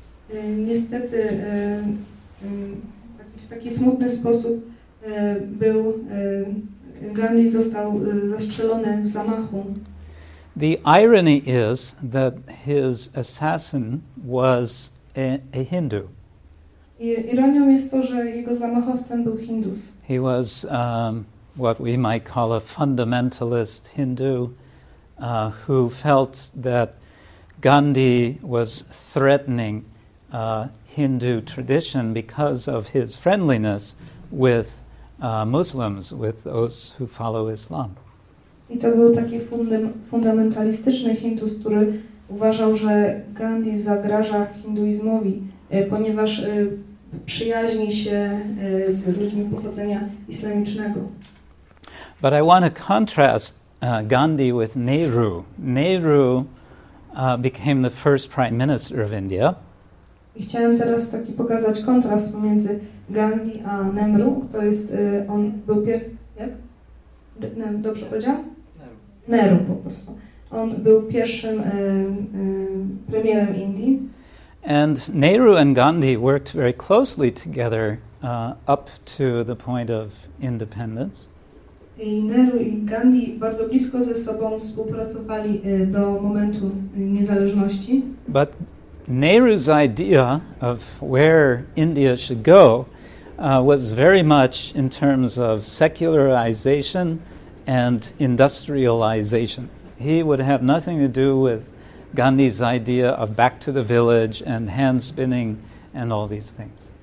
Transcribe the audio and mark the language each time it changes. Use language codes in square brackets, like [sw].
[pl] Niestety, w taki smutny sposób był Gandhi został zastrzelony w zamachu. [en] The irony is that his assassin was a Hindu. [pl] Ironią jest to, że jego zamachowcem był Hindus. [en] He was what we might call a fundamentalist Hindu who felt that Gandhi was threatening Hindu tradition because of his friendliness with Muslims, with those who follow Islam. [pl] I to był taki fundamentalistyczny Hindus, który uważał, że Gandhi zagraża hinduizmowi, ponieważ przyjaźni się z ludźmi pochodzenia islamicznego. [en] But I want to contrast Gandhi with Nehru. Nehru became the first prime minister of India. [pl] I chciałem teraz taki pokazać kontrast pomiędzy Gandhi a Nehru, kto jest on był pierwszy, jak? Dobrze powiedziałam? Nehru po prostu. On był pierwszym premierem Indii. [en] And Nehru and Gandhi worked very closely together up to the point of independence. [pl] I Nehru i Gandhi bardzo blisko ze sobą współpracowali do momentu niezależności. [en] But Nehru's idea of where India should go was very much in terms of secularization and industrialization. He would have nothing to do with Gandhi's idea of back to the village and hand spinning and all these things.